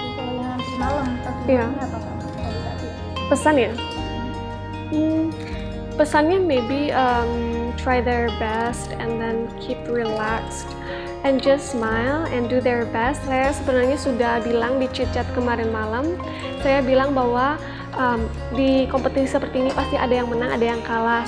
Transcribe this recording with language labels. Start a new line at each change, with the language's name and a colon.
Indonesian: Terakhir ini pesan mungkin untuk Putra-putri Solo nanti malam atau pesan ya? Pesannya
English: maybe try their best and then keep relaxed and just smile and do their best.
Indonesian: Saya sebenarnya sudah bilang di chit-chat kemarin malam, saya bilang bahwa di kompetisi seperti ini pasti ada yang menang, ada yang kalah.